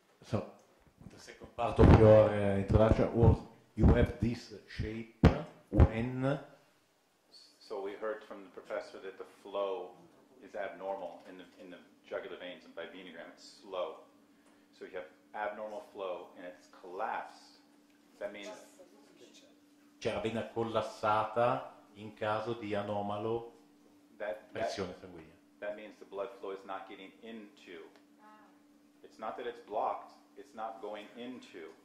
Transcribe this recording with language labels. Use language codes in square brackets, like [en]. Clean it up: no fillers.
[en] so the second part of your introduction was you have this shape when so we heard from the professor that the flow is abnormal in the jugular veins and by venogram it's slow, so you have abnormal flow and it's collapsed, that means [it] c'era vena collassata in caso di anomalo pressione sanguigna. [en] That means the blood flow is not getting into. It's not that it's blocked, it's not going into.